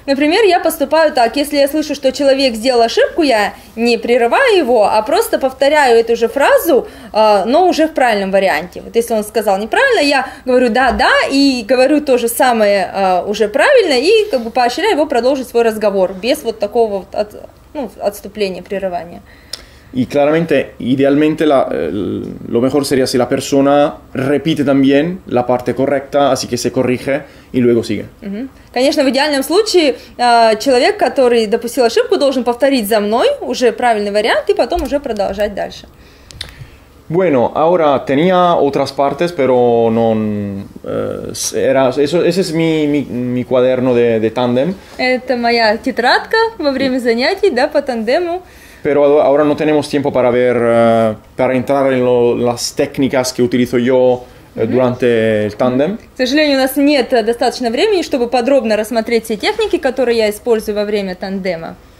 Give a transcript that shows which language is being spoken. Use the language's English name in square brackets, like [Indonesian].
[Russian] Например, я поступаю так. Если я слышу, что человек сделал ошибку, я не прерываю его, а просто повторяю эту же фразу, но уже в правильном варианте. Вот если он сказал неправильно, я говорю «да-да» и говорю то же самое уже правильно и как бы поощряю его продолжить свой разговор без вот такого вот отступления, прерывания. [Spanish] Y claramente, idealmente, lo mejor sería si la persona repite también la parte correcta, así que se corrige y luego sigue. [Russian] Конечно, в идеальном случае человек, который допустил ошибку, должен повторить за мной уже правильный вариант и потом уже продолжать дальше. [Spanish] Bueno, ahora tenía otras partes, pero no era eso. Ese es mi cuaderno de tándem. [Russian] Это моя тетрадка во время занятий, да, по тандему. [Spanish] Pero ahora no tenemos tiempo para entrar en las técnicas que utilizo yo durante el tándem. [Russian] К сожалению, у нас нет достаточно времени, чтобы подробно рассмотреть все техники, которые я использую во время тандема.